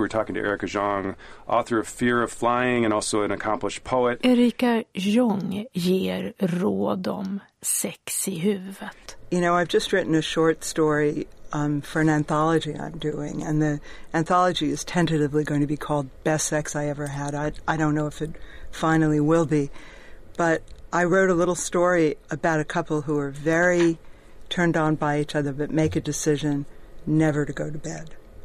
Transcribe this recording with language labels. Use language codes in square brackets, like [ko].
[en] We're talking to Erika Jong, author of Fear of Flying and also an accomplished poet. [sv] Erika Jong ger råd om sex i huvudet. [en] You know, I've just written a short story for an anthology I'm doing, and the anthology is tentatively going to be called Best Sex I Ever Had. I don't know if it finally will be, but I wrote a little story about a couple who are very turned on by each other but make a decision never to go to bed.